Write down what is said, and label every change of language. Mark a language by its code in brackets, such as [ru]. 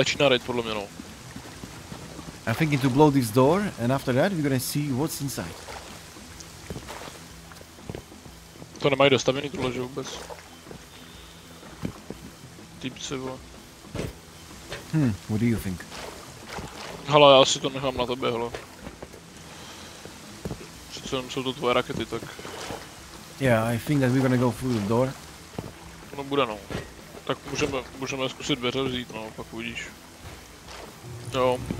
[en] I'm thinking to blow this door and after that we're gonna see what's inside. [cs] To nemají dostavený tuhle, že vůbec. Typce, vole. [en] What do you think? [cs] Hala, já si to nechám na tebe, hele. Přece jenom jsou to tvoje rakety, tak... [en] Yeah, I think that we're gonna go through the door. [cs] No bude, no. Tak můžeme zkusit dveře vzít, no, pak uvidíš. Jo.